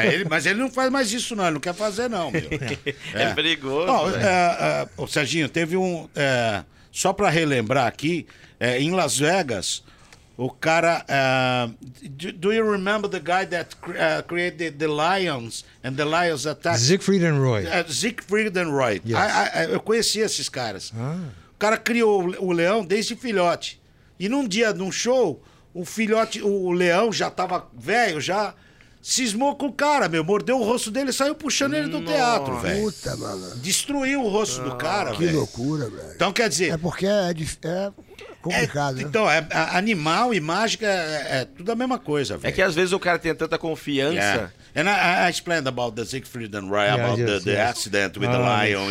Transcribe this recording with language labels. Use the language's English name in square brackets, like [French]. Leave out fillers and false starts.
[Portuguese] mas ele não faz mais isso, não. Ele não quer fazer, não, meu. É perigoso. O Serginho, teve só para relembrar aqui, em Las Vegas, o cara. [English] Do you remember the guy that created the lions and the lions attack? Siegfried and Roy. [Portuguese] Siegfried and Roy. Yes. Eu conheci esses caras. Ah. O cara criou o leão desde filhote. E num dia de um show, o leão já estava velho, já cismou com o cara, meu. Mordeu o rosto dele e saiu puxando ele do teatro, velho. Puta, malandro. Destruiu o rosto do cara, velho. Que loucura, velho. Então, quer dizer... É porque é complicado, né? Então, animal e mágica é tudo a mesma coisa, velho. É que às vezes o cara tem tanta confiança... [English] Yeah. And I explained about the Siegfried and Roy, about the accident with the lion.